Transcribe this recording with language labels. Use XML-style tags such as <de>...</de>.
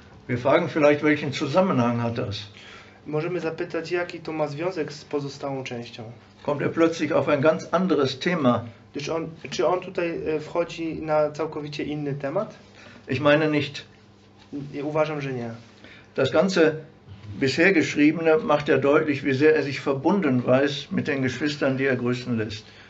<de>Wir fragen vielleicht, welchen Zusammenhang hat das?</de> <pl>Możemy zapytać, jaki to ma związek z pozostałą częścią.</pl> <de>Kommt er plötzlich auf ein ganz anderes Thema?</de> <pl>Czy on tutaj wchodzi na całkowicie inny temat?</pl> <de>Ich meine nicht.</de> <pl>Uważam, że nie.</pl> <de>Das ganze bisher geschriebene macht ja deutlich, wie sehr er sich verbunden weiß mit den Geschwistern, die er grüßen lässt.</de>